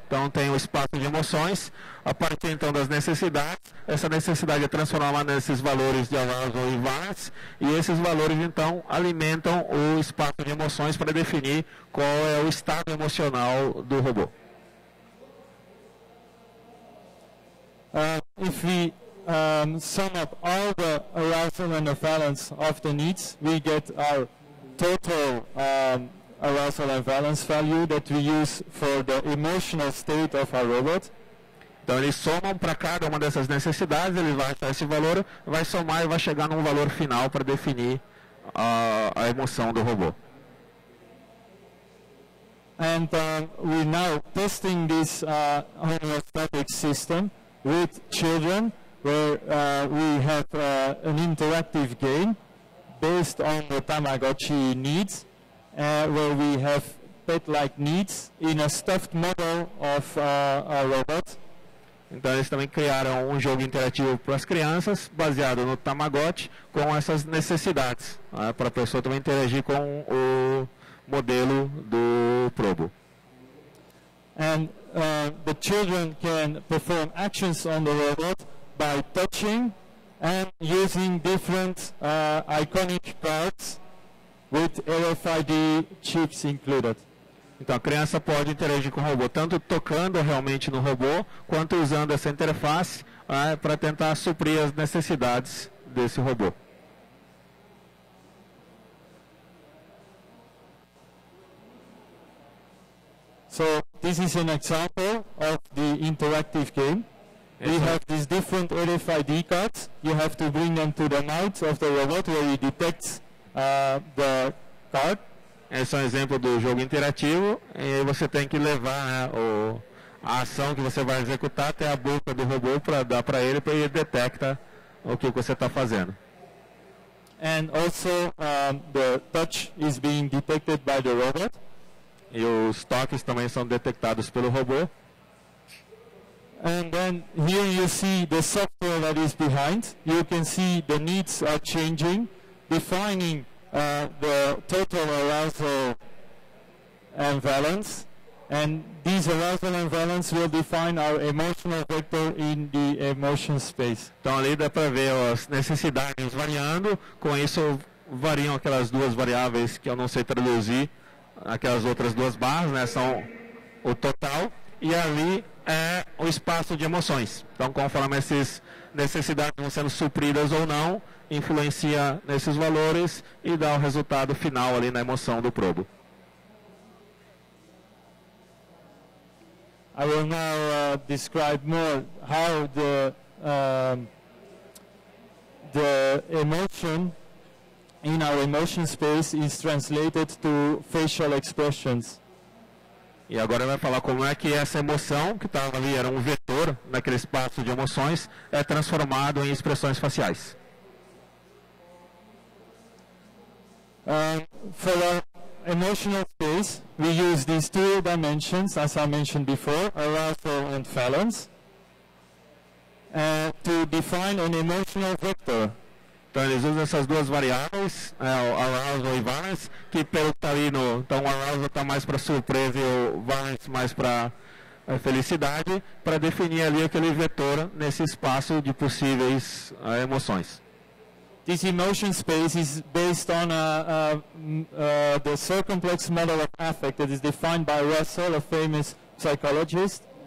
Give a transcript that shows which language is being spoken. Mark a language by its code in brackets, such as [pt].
[pt] Então tem o espaço de emoções, a partir então das necessidades, essa necessidade é transformada nesses valores de arousal e valence, e esses valores então alimentam o espaço de emoções para definir qual é o estado emocional do robô. [en] If we sum up all the arousal and the valence of the needs, we get our total arousal and valence value that we use for the emotional state of our robot. [pt] Então eles somam para cada uma dessas necessidades, ele vai achar esse valor, vai somar e vai chegar num valor final para definir a emoção do robô. [en] And we're now testing this homeostatic system with children, where we have an interactive game based on the Tamagotchi needs, where we have pet-like needs in a stuffed model of a robot. [pt] Então eles também criaram um jogo interativo para as crianças, baseado no Tamagotchi, com essas necessidades, para a pessoa também interagir com o modelo do Probo. [en] And the children can perform actions on the robot by touching and using different iconic cards with RFID chips included. [pt] Então a criança pode interagir com o robô tanto tocando realmente no robô quanto usando essa interface para tentar suprir as necessidades desse robô. [en] So this is an example of the interactive game. We have these different RFID cards. You have to bring them to the mouth of the robot where it detects the card. [pt] Esse é um exemplo do jogo interativo, e aí você tem que levar a ação que você vai executar até a boca do robô para dar para ele, para ele detectar o que você está fazendo. [en] And also the touch is being detected by the robot. [pt] E os toques também são detectados pelo robô. [en] And then here you see the software that is behind. You can see the needs are changing, defining the total arousal and valence, and these arousal and valence will define our emotional vector in the emotion space. [pt] Então ali dá para ver as necessidades variando, com isso variam aquelas duas variáveis que eu não sei traduzir, aquelas outras duas barras, né, são o total, e ali é o espaço de emoções. Então conforme essas necessidades vão sendo supridas ou não, influencia nesses valores e dá o resultado final ali na emoção do probo. [en] I will now describe more how the emotion in our emotion space is translated to facial expressions. [pt] E agora vai falar como é que essa emoção que estava ali, era um vetor naquele espaço de emoções, é transformado em expressões faciais. [en] For our emotional space, we use these two dimensions, as I mentioned before, arousal and valence, to define an emotional vector. [pt] Então eles usam essas duas variáveis, arousal e valence, que pelo que está ali, então o arousal está mais para surpresa e o valence mais para a felicidade para definir ali aquele vetor nesse espaço de possíveis emoções. [en] This emotion space is based on the circumplex model of affect that is defined by Russell, a famous psychologist.